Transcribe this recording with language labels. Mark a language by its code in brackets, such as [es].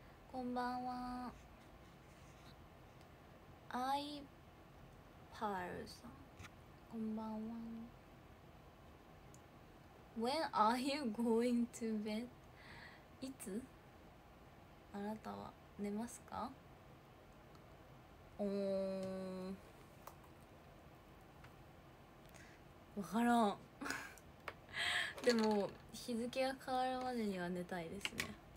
[ja] こんばんは。アイパールさん、こんばんは。 [en] When are you going to bed? [ja] いつあなたは寝ますか。おー、わからんでも日付が変わるまでには寝たいですね。